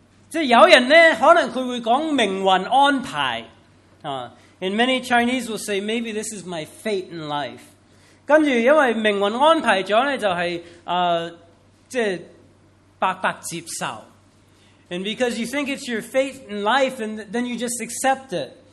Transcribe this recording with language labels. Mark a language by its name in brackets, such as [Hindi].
[Cantonese] 即有人呢，可能佢会讲命运安排。 [English] And many Chinese will say, maybe this is my fate in life. [Cantonese] 跟住因为命运安排咗呢，就係即白白接受。 [English] And because you think it's your fate in life, and then you just accept it.